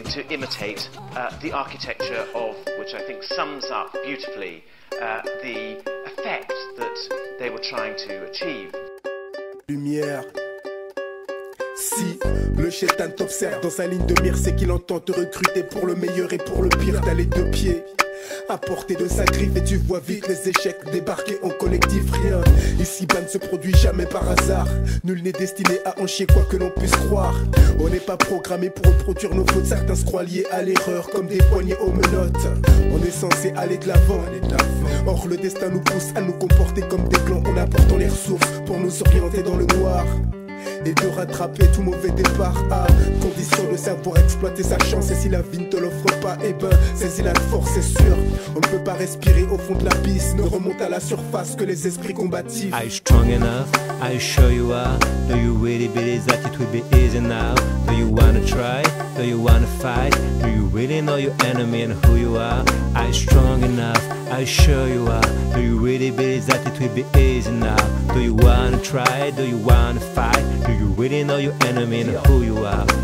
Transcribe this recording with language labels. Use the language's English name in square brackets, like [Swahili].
[English] Imitate the architecture of, which I think sums up beautifully the effect that they were trying to achieve. [French] Lumière. Si le chétan t'observe dans sa ligne de mire, c'est qu'il entend te recruter pour le meilleur et pour le pire. T'as les deux pieds à portée de sa griffe et tu vois vite les échecs débarquer en collectif. Rien ici bas ne se produit jamais par hasard. Nul n'est destiné à en chier quoi que l'on puisse croire. On n'est pas programmé pour reproduire nos fautes. Certains se croient liés à l'erreur comme des poignées aux menottes. On est censé aller de l'avant. Or le destin nous pousse à nous comporter comme des clans en apportant les ressources pour nous orienter dans le noir et de rattraper tout mauvais départ à condition de savoir exploiter sa chance. Et si la vie ne te l'offre pas, eh ben saisis la force, c'est sûr. On ne peut pas respirer au fond de l'abysse. Ne remonte à la surface que les esprits combattifs. [English] Are you strong enough? Are you sure you are? Do you really believe that it will be easy now? Do you wanna try? Do you wanna fight? Do you really know your enemy and who you are? Are you strong enough? Are you sure you are? Do you really believe that it will be easy now? Do you wanna try? Do you wanna fight? Do you really know your enemy and who you are?